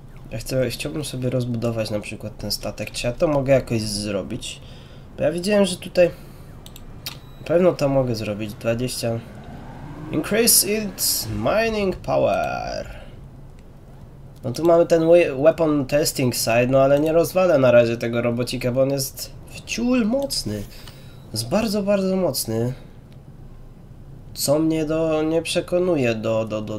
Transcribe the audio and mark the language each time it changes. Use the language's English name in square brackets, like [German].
[Polish] Ja chciałbym sobie rozbudować na przykład ten statek. Czy ja to mogę jakoś zrobić? Bo ja widziałem, że tutaj. Na pewno to mogę zrobić. 20. [English] Increase its mining power. [Polish] No tu mamy ten weapon testing site, no ale nie rozwalę na razie tego robocika, bo on jest wciul mocny. Jest bardzo, bardzo mocny. Co mnie do. Nie przekonuje do.